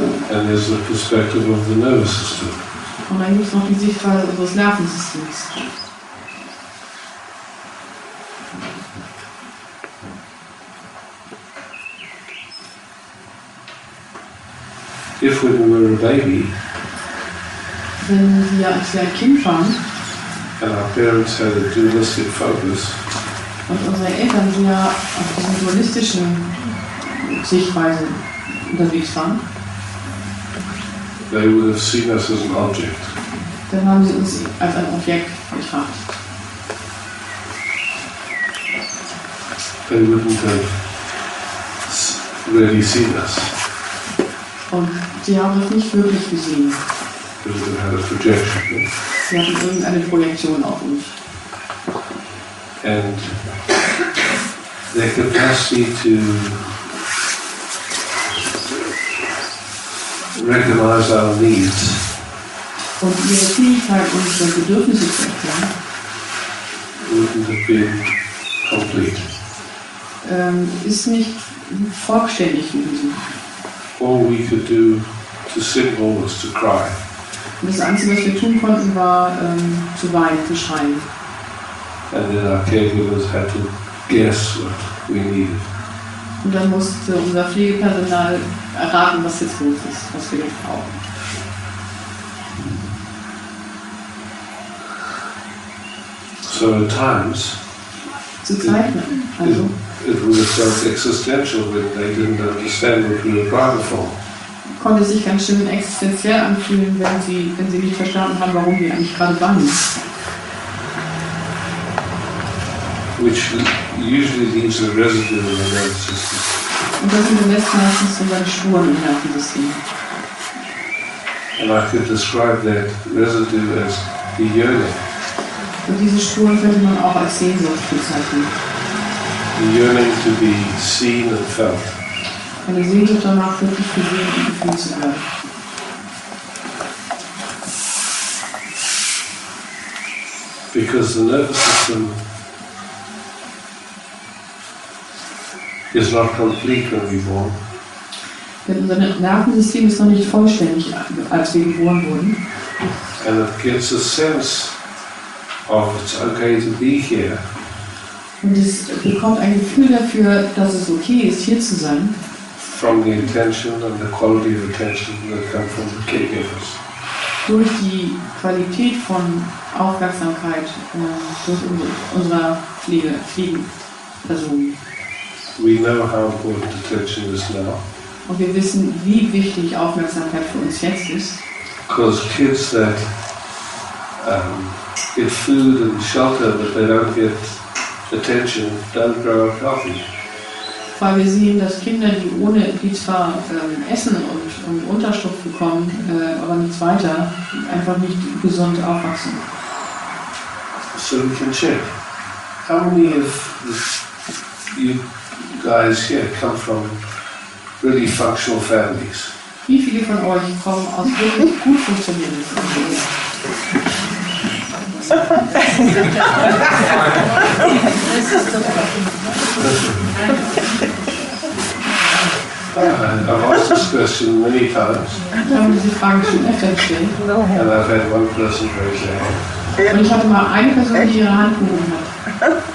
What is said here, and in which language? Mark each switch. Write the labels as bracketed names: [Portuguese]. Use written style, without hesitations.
[English] And there's the perspective of the nervous system. [German] Und dann gibt es noch die Sichtweise unseres Nervensystems. [English] If we were a baby, [German] wenn wir als ein Kind waren, [English] and our parents had a dualistic focus, [German] und unsere Eltern sind ja auf diesen dualistischen Sichtweise unterwegs waren, [English] they would have seen us as an object. [German] Dann haben sie uns als ein Objekt betrachtet. [English] They wouldn't have really seen us. [German] Und sie haben es nicht wirklich gesehen. Sie hatten projection. Sie hatten irgendeine Projektion auf uns. [English] And their capacity to recognize our needs. [German] Und ihre Fähigkeit, unsere Bedürfnisse zu erkennen, [English] wouldn't have been complete. [German] Ist nicht vollständig gewesen. [English] All we could do to signal was to cry. [German] Das Einzige, was wir tun konnten, war zu weinen, zu schreien. [English] And then our caregivers had to guess what we needed. [German] Und dann musste unser Pflegepersonal erraten, was jetzt los ist, was wir jetzt brauchen. [English] So at times. [German] Zu Zeiten, also. [English] It would have felt existential when they didn't understand what we were crying for. [German] Konnte sich ganz schön existenziell anfühlen, wenn sie nicht verstanden haben, warum wir eigentlich gerade waren. [English] Which usually leaves a residue in the nervous system. [German] Und das sind meistens so seine Spuren im Nervensystem. [English] And I could describe that residue as the yearning. [German] Und diese Spuren könnte man auch als Sehnsucht bezeichnen. [English] The yearning to be seen and felt. [German] Eine Sehnsucht danach, wirklich gesehen und gefühlt zu werden. [English] Because the nervous system is not complete when we born. [German] Denn unser Nervensystem ist noch nicht vollständig, als wir geboren wurden. [English] And it gets a sense of it's okay to be here. [German] Und es bekommt ein Gefühl dafür, dass es okay ist, hier zu sein. [English] From the intention and the quality of attention that come from the caregivers. [German] Durch die Qualität von Aufmerksamkeit durch unserer Pflegeperson. [English] We know how important attention is now. [German] Und wir wissen, wie wichtig Aufmerksamkeit für uns jetzt ist. [English] Because kids that get food and shelter, but they don't get attention, don't grow up healthy. [German] Weil wir sehen, dass Kinder, die zwar Essen und Unterschlupf bekommen, aber nichts weiter, einfach nicht gesund aufwachsen. [English] So we can check. How many of you guys here come from really functional families? [German] Wie viele von euch kommen aus wirklich gut funktionierenden Familien? [English] I've asked this question many times. And I've had one person raise their hand. [German] Und ich hatte mal eine Person, die ihre Hand gehoben hat.